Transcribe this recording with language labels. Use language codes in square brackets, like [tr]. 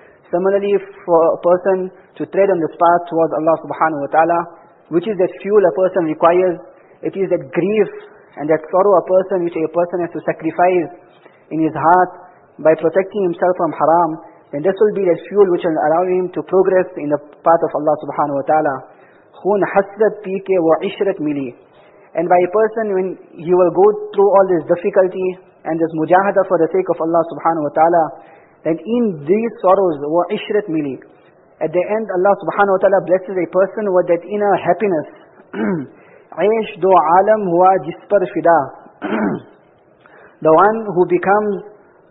[en] Similarly, for a person to tread on this path towards Allah subhanahu wa ta'ala, which is that fuel a person requires, it is that grief and that sorrow a person which a person has to sacrifice in his heart by protecting himself from haram, then this will be that fuel which will allow him to progress in the path of Allah subhanahu wa ta'ala. [ur] خون حسرت پی کے وہ عشرت ملی. [en] And by a person, when he will go through all this difficulty and this mujahada for the sake of Allah subhanahu wa ta'ala, then in these sorrows, [ur] wa ishrat mili, [en] at the end Allah subhanahu wa ta'ala blesses a person with that inner happiness. [ur] Aish do alam huwa jispar fida. [en] The one who becomes